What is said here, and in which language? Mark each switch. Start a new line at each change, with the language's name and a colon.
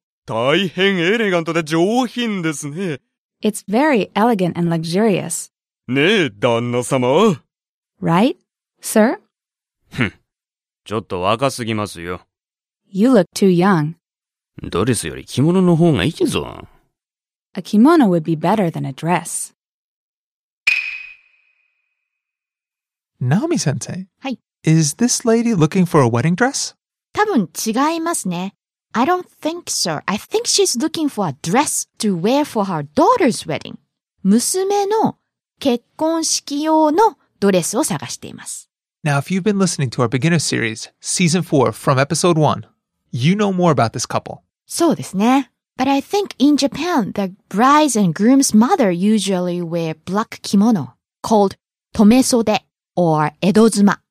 Japanese: 大変エレガントで上品ですね。
English: It's very elegant and luxurious.
Japanese: ねえ、旦那様。
English: Right? Sir?
Japanese: ちょっと若すぎますよ。
English: You look too young.
Japanese: ドレスより着物の方がいいぞ。
English: A kimono would be better than a dress. Naomi-sensei.
Japanese: はい。
English: Is this lady looking for a wedding dress?
Japanese: 多分違いますね。
English: I don't think so. I think she's looking for a dress to wear for her daughter's wedding.
Japanese: 娘の結婚式用のドレスを探しています。
English: Now, if you've been listening to our beginner series, season 4 from episode 1, you know more about this couple.
Japanese: そうですね。
English: But I think in Japan, the bride's and groom's mother usually wear black kimono called 留め袖 or 江戸妻